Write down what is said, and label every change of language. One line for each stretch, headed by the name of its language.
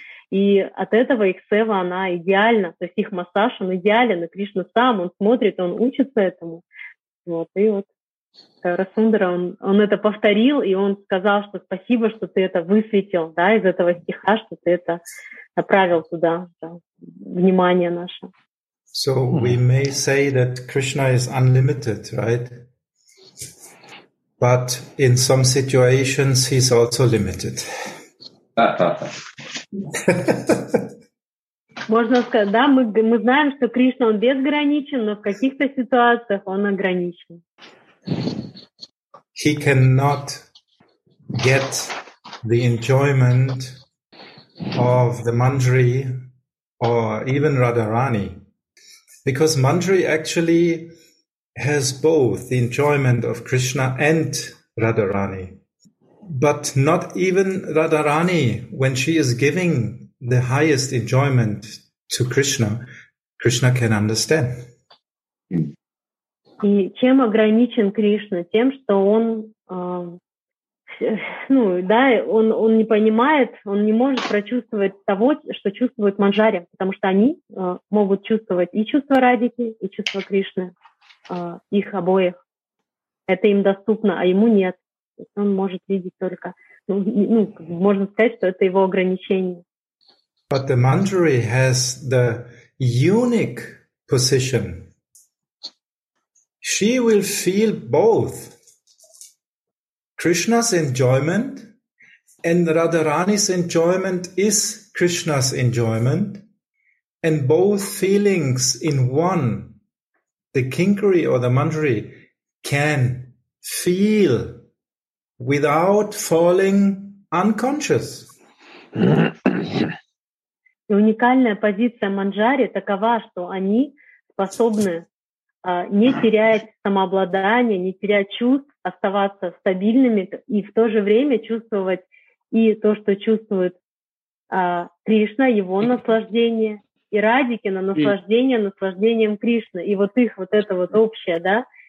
Russian: И от этого их сева, она идеальна, то есть их массаж, он идеален, и Кришна сам, он смотрит, он учится этому. Вот, и вот Расундара, он это повторил, и он сказал, что спасибо, что ты это высветил, да, из этого стиха, что ты это направил туда, да, внимание наше.
English: So we may say that Krishna is unlimited, right? But in some situations he's also limited.
Russian: Можно сказать, да, мы знаем, что Кришна, он безграничен, но в каких-то ситуациях он ограничен.
English: He cannot get the enjoyment of the Manjari or even Radharani, because Manjari actually has both the enjoyment of Krishna and Radharani. But not even Radharani, when she is giving the highest enjoyment to Krishna, Krishna can understand.
Russian: И чем ограничен Кришна? Тем, что он, ну, да, он не понимает, он не может прочувствовать того, что чувствует Манджари, потому что они могут чувствовать и чувство Радики, и чувство Кришны, их обоих. Это им доступно, а ему нет. Он может видеть только, ну можно сказать, что это его ограничение.
English: But the Manjari has the unique position. She will feel both Krishna's enjoyment, and Radharani's enjoyment is Krishna's enjoyment, and both feelings in one, the Kinkari or the Manjari, can feel without falling unconscious.
Russian: И уникальная позиция Манджари такова, что они способны не терять самообладание, не терять чувств, оставаться стабильными и в то же время чувствовать и то, что чувствует Кришна, его наслаждение, и Радикина наслаждение наслаждением Кришны. И вот их вот это вот общее, да,